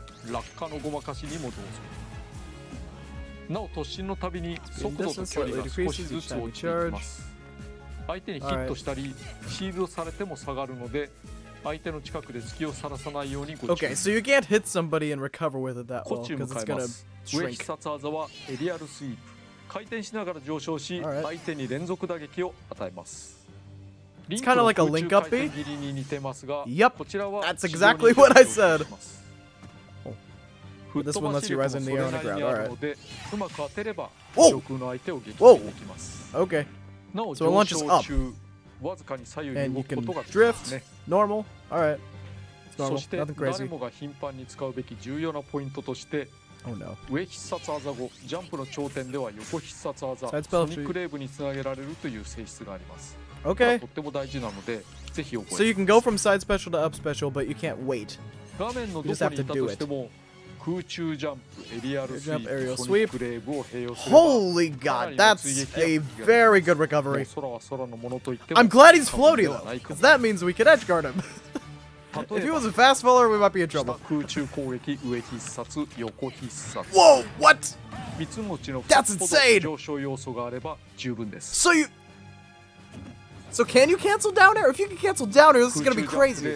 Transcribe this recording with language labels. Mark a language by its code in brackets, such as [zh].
[ja] 落下のごまかしにもどうぞ。なお突進のたびに速度と距離が少しずつ落ちていきます。相手にヒットしたりシールドされても下がるので。相手の近くで隙をさらさないようにご注意。 [en] Okay, so you can't hit somebody and recover with it that well because it's gonna shrink. [ja] 必殺技はエリアルスイープ。回転しながら上昇し、相手に連続打撃を与えます。 [en] It's kind of like a link up beat. [ja] リンクの空中回転切りに似てますが、 [en] Yep, that's exactly what I said. Oh. This one lets you rise in the air on the ground. All right. [ja] うまく当てれば、上空の相手を撃破できます。 [en] Okay. [ja] なお、 [en] so it launches up. [ja] わずかに左右に動くことができますね。 [en] Normal. All right. It's normal. [ja] そして誰もが頻繁に使うべき重要なポイントとして、 [en] oh, no. [ja] 上必殺技後ジャンプの頂点では横必殺技ソニックレーブにつなげられるという性質があります。 [en] Okay. [ja] とっても大事なのでぜひ覚えてください [en] So you can go from side special to up special, but you can't wait. [ja] 画面のどこにいたとしても空中ジャンプ、エリアルスイープ、ソニックレーブを併用すれば [en] Holy god, that's a very good recovery. [ja] もう空は空のものと言っても [en] I'm glad he's floaty though, because that means we can edge guard him. If he was a fast faller, we might be in trouble. [ja] 下空中攻撃、上必殺、横必殺。 [en] Whoa, what? [ja] 三つ持ちの [en] That's insane! [ja] 上昇要素があれば十分です。 [en] So you... So can you cancel down air? If you can cancel down air, this is gonna be crazy.